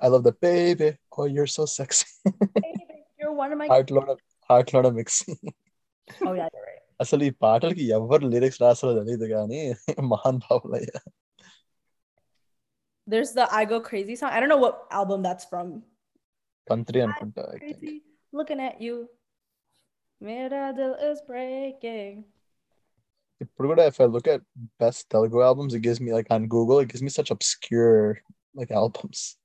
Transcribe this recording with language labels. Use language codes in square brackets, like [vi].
[en] I love the baby. Oh, you're so sexy. Baby, you're one of my. Heart load of [te] పాటలోడ mixing అసలు ఈ పాటలకి ఎవరు lyrics రాసారో తెలియదు కానీ మహాన్ భావులు అయ్యా. [en] There's the I Go Crazy song. I don't know what album that's from. Country and Punta, I think. Crazy, looking at you. [hi] Mera dil [en] is breaking. If I look at best Telugu albums, it gives me, like, on Google, it gives me such obscure, like, albums.